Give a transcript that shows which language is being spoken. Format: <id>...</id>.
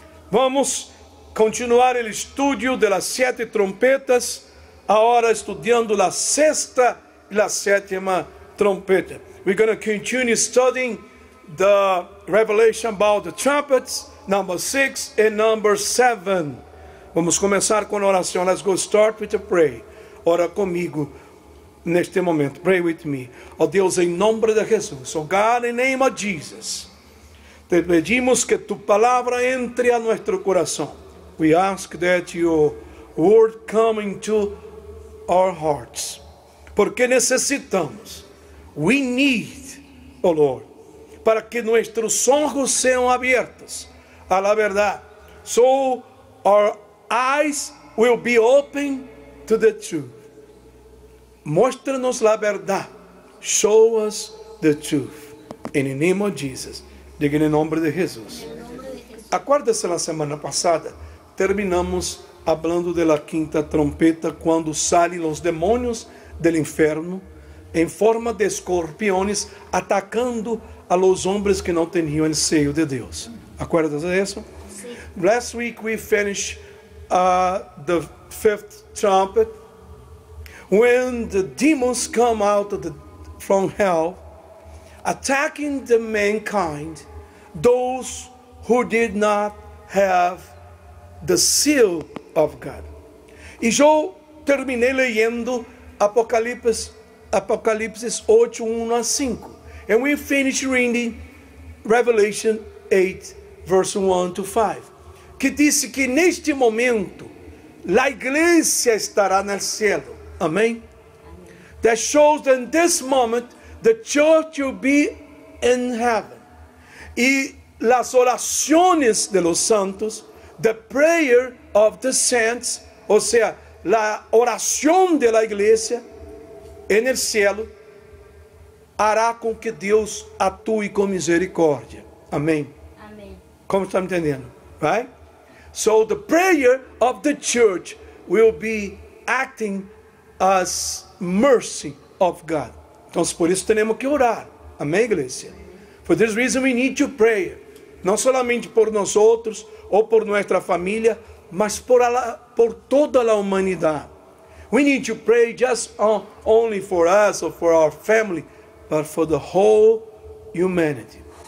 <es>Vamos continuar el estudio de las siete trompetas. Ahora estudiando la sexta y la séptima trompeta.</es> <en>We're going to continue studying the revelation about the trumpets, number 6 and number 7.</en> <pt>Vamos começar com a oração.</pt> <en>Let's go start with a prayer.</en> <pt>Ora comigo neste momento.</pt> <en>Pray with me.</en> <pt>Ó Deus, em nome de Jesus.</pt> <en>Oh God, in the name of Jesus.</en> <pt>Te pedimos que tu palavra entre a nosso coração.</pt> <en>We ask that your word come into our hearts.</en> <pt>Porque necessitamos.</pt> <en>We need, oh Lord,</en> <pt>para que nossos olhos sejam abertos à la verdade.</pt> <en>So our eyes will be open to the truth.</en> <pt>Mostra-nos a verdade.</pt> <en>Show us the truth. In the name of Jesus.</en> <pt>Diga em nome de Jesus. Acorda-se na semana passada. Terminamos falando da quinta trompeta, quando saem os demônios do inferno em forma de escorpiões atacando a los homens que não tinham o seio de Deus. Acorda-se disso? Sim.</pt> <en>Last week we finished the fifth trumpet when the demons come out of from hell attacking the mankind, those who did not have the seal of God.</en> <pt>E já terminei lendo Apocalipse 8, 1 a 5.</pt> <en>And we finish reading Revelation 8, verse 1 to 5.</en> <pt>Que disse que neste momento a igreja estará no céu. Amém?</pt> <en>That shows that in this moment the church will be in heaven.</en> <pt>E as orações de los santos,</pt> <en>the prayer of the saints,</en> <pt>ou seja, a oração de la igreja</pt> <es>en el cielo, hará</es> <pt>com que Deus atue com misericórdia. Amém? Amém. Como está me entendendo? Right?</pt> <en>So the prayer of the church will be acting as mercy of God.</en> <pt>Então, por isso temos que orar. Amém, igreja?</pt> <en>For this reason we need to pray.</en> <pt>Não somente por nós outros ou por nossa família, mas por toda a humanidade.</pt> <en>We need to pray just only for us or for our family, but for the whole humanity.</en>